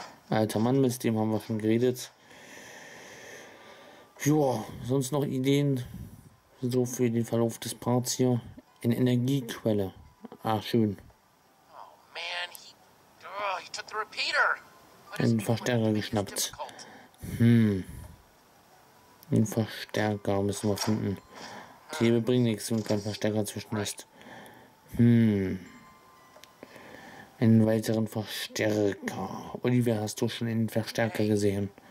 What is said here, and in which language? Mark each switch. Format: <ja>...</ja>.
<de>Alter Mann, mit dem haben wir schon geredet. Joa, sonst noch Ideen? So für den Verlauf des Parts hier. In Energiequelle. Ah, schön.</de> <en>Oh man, he took the repeater.</en> <de>Ein Verstärker geschnappt. Ein Verstärker müssen wir finden. Die Hebe bringt nichts, wenn kein Verstärker zwischenlässt. Einen weiteren Verstärker. Oliver, hast du schon einen Verstärker gesehen?</de>